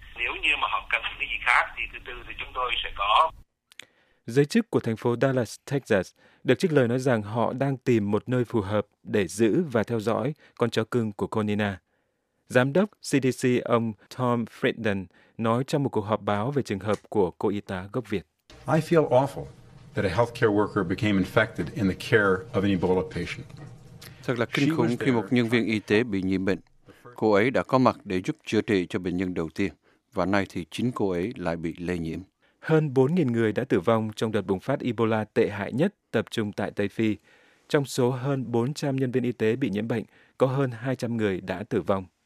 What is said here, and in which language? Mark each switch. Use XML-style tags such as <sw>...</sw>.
<vi>Nếu như mà họ cần cái gì khác thì từ từ thì chúng tôi sẽ có. Giới chức của thành phố Dallas, Texas, được trích lời nói rằng họ đang tìm một nơi phù hợp để giữ và theo dõi con chó cưng của cô Nina. Giám đốc CDC ông Tom Friedman nói trong một cuộc họp báo về trường hợp của cô y tá gốc Việt.</vi> <en>I feel awful that a healthcare worker became infected in the care of an Ebola patient.</en> <vi>Thật là kinh khủng khi một nhân viên y tế bị nhiễm bệnh. Cô ấy đã có mặt để giúp chữa trị cho bệnh nhân đầu tiên, và nay thì chính cô ấy lại bị lây nhiễm. Hơn 4.000 người đã tử vong trong đợt bùng phát Ebola tệ hại nhất tập trung tại Tây Phi. Trong số hơn 400 nhân viên y tế bị nhiễm bệnh, có hơn 200 người đã tử vong.</vi>